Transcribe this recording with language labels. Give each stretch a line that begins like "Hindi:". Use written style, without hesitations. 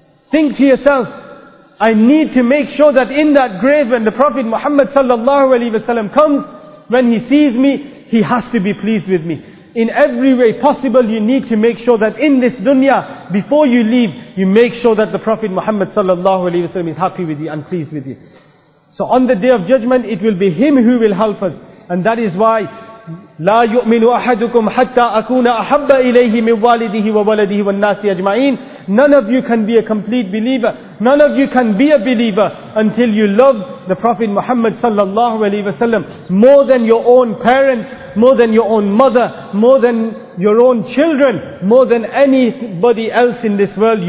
English: think to yourself, I need to make sure that in that grave when the Prophet Muhammad sallallahu alaihi wasallam comes, when he sees me, he has to be pleased with me. In every way possible, you need to make sure that in this dunya, before you leave, you make sure that the Prophet Muhammad sallallahu alaihi wasallam is happy with you and pleased with you. So on the day of judgment, it will be him who will help us. And that is why,
Arabic: لا يؤمن أحدكم حتى أكون أحب إليه من والده وولده والناس أجمعين.
English: None of you can be a complete believer. None of you can be a believer until you love the Prophet Muhammad sallallahu alaihi wasallam more than your own parents, more than your own mother, more than your own children, more than anybody else in this world.